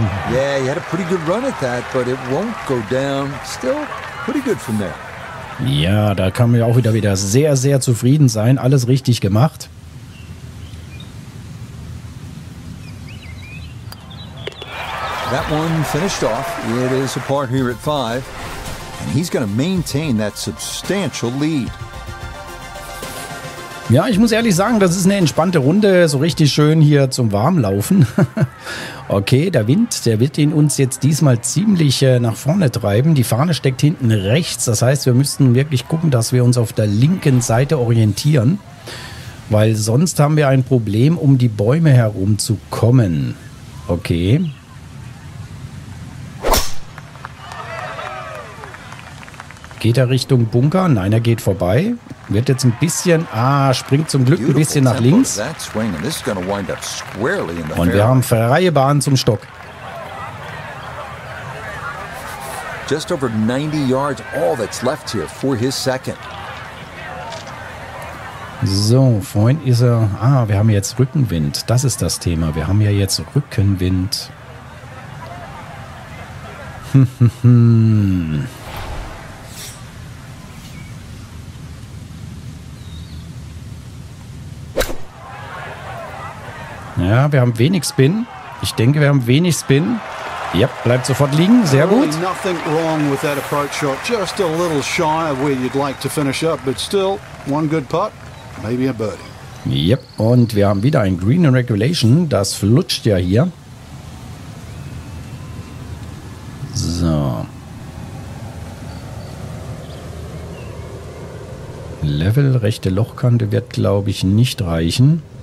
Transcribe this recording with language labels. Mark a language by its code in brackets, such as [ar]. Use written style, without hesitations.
[en] Yeah, you had a pretty good run at that, but it won't go down. Still pretty good from there. [de] Ja, da kann man ja auch wieder sehr, sehr zufrieden sein. Alles richtig gemacht. [en] That one finished off. It is a par here at 5. And he's going to maintain that substantial lead. [de] Ja, ich muss ehrlich sagen, das ist eine entspannte Runde, so richtig schön hier zum Warmlaufen. Okay, der Wind, der wird ihn uns jetzt diesmal ziemlich nach vorne treiben. Die Fahne steckt hinten rechts, das heißt, wir müssten wirklich gucken, dass wir uns auf der linken Seite orientieren, weil sonst haben wir ein Problem, um die Bäume herumzukommen. Okay. Okay, Geht er Richtung Bunker? Nein, er geht vorbei. Wird jetzt ein bisschen, springt zum Glück ein bisschen nach links. Und wir haben freie Bahn zum Stock. [en] Just over 90 yards, all that's left here for his second. [de] So, vorhin ist er, wir haben jetzt Rückenwind. Das ist das Thema. Wir haben ja jetzt Rückenwind. Ja, wir haben wenig Spin. Ich denke, wir haben wenig Spin. Ja, bleibt sofort liegen. Sehr gut. [en] Nothing wrong with that approach shot. Just a little shy of where you'd like to finish up, but still one good putt, maybe a birdie. [de] Yep, und wir haben wieder ein Green in Regulation. Das flutscht ja hier. So. Level, rechte Lochkante wird, glaube ich, nicht reichen.